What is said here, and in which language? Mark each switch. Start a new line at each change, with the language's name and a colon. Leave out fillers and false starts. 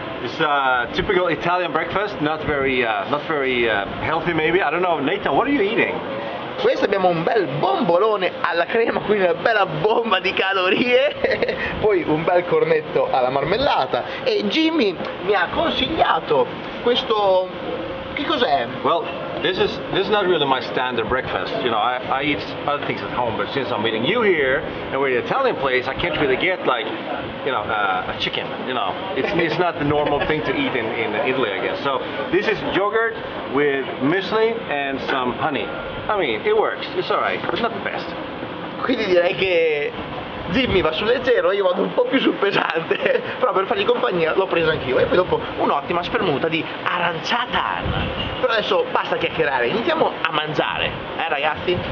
English: It's a typical Italian breakfast, not very healthy maybe. I don't know, Nathan, what are you eating?
Italian: Questo abbiamo un bel bombolone alla crema, quindi una bella bomba di calorie. Poi un bel cornetto alla marmellata. E Jimmy mi ha consigliato questo. Che cos'è?
English: Well, this is not really my standard breakfast. You know, I eat other things at home, but since I'm meeting you here and we're in an Italian place, I can't really get like, you know, a chicken. You know, it's not the normal thing to eat in Italy, I guess. So this is yogurt with muesli and some honey. I mean, it works. It's all right, but not the best.
Italian: Quindi direi che Jimmy va sul leggero, io vado un po' più sul pesante, però per fargli compagnia l'ho preso anch'io e poi dopo un'ottima spermuta di aranciata. Però adesso basta chiacchierare, iniziamo a mangiare, ragazzi?